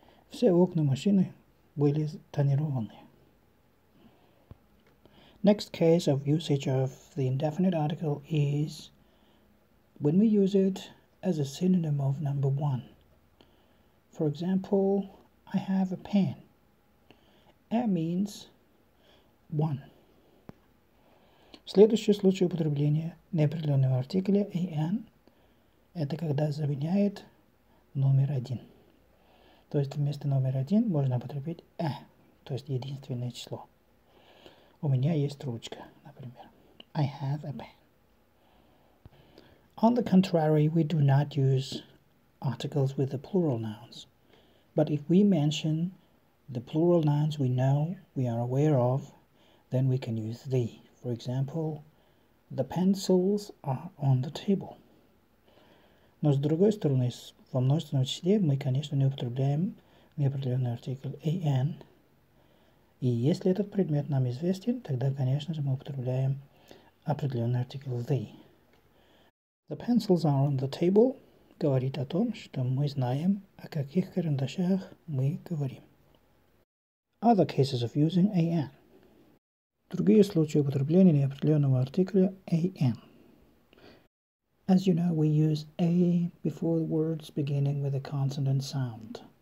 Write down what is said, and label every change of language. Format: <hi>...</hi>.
<ru>Все окна машины были тонированы.</ru> <en>Next case of usage of the indefinite article is when we use it as a synonym of number one. For example, I have a pen. A means one.</en> <ru>Следующий случай употребления неопределенного артикля an – это когда заменяет номер один. То есть вместо номер один можно употребить a, то есть единственное число. У меня есть ручка, например.</ru> <en>I have a pen. On the contrary, we do not use articles with the plural nouns. But if we mention the plural nouns we know, we are aware of, then we can use the. For example, the pencils are on the table.</en> <ru>Но с другой стороны, во множественном числе мы, конечно, не употребляем неопределенный артикль an. И если этот предмет нам известен, тогда, конечно же, мы употребляем определенный артикль the.</ru> <en>The pencils are on the table.</en> <ru>Говорит о том, что мы знаем, о каких карандашах мы говорим.</ru> <en>Other cases of using an.</en> <ru>Другие случаи употребления неопределенного артикля an.</ru> <en>As you know, we use a before words beginning with a consonant sound.</en>